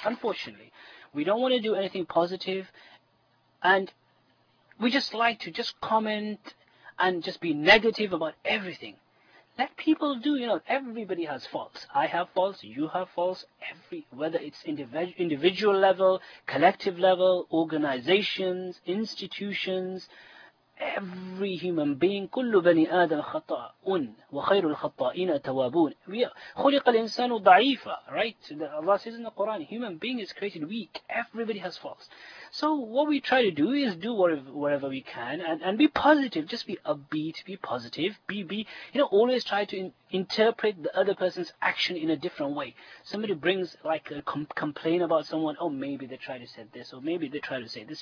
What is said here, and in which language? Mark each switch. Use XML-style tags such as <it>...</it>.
<en>Unfortunately, we don't want to do anything positive, and we just like to just comment and just be negative about everything. Let people do, you know, everybody has faults. I have faults, you have faults, whether it's individual level, collective level, organizations, institutions. Every human being,</en> <ar>كُلُّ بَنِي آدَمْ خَطَاءٌ وَخَيْرُ الْخَطَائِينَ تَوَابُونَ خُلِقَ الْإِنسَانُ ضَعِيفًا</ar> <en>Right? Allah says in the Quran, human being is created weak. Everybody has faults. So what we try to do is do whatever we can and be positive. Just be upbeat, be positive, be, you know, always try to interpret the other person's action in a different way. Somebody brings like a complaint about someone, oh, maybe they try to say this, or maybe they try to say this.</en>